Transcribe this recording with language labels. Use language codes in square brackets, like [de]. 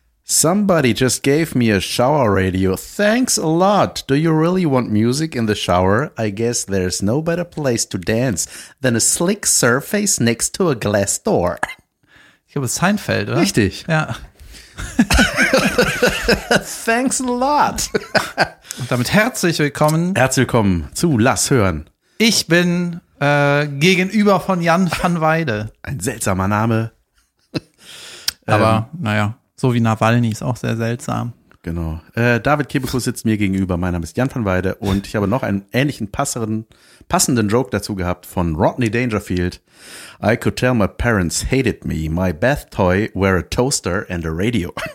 [en] Somebody just gave me a shower radio. Thanks a lot. Do you really want music in the shower? I guess there's no better place to dance than a slick surface next to a glass door. [de] Ich glaube, Seinfeld, oder? Richtig. Ja. [en] Thanks a lot. [de] Und damit herzlich willkommen. Herzlich willkommen zu Lass hören. Ich bin gegenüber von Jan van Weide. Ein seltsamer Name. Aber naja. So wie Nawalny ist auch sehr seltsam. Genau. David Kebekus sitzt mir gegenüber. Mein Name ist Jan van Weide und ich habe noch einen ähnlichen passenden Joke dazu gehabt von Rodney Dangerfield. [en] I could tell my parents hated me. My bath toy were a toaster and a radio.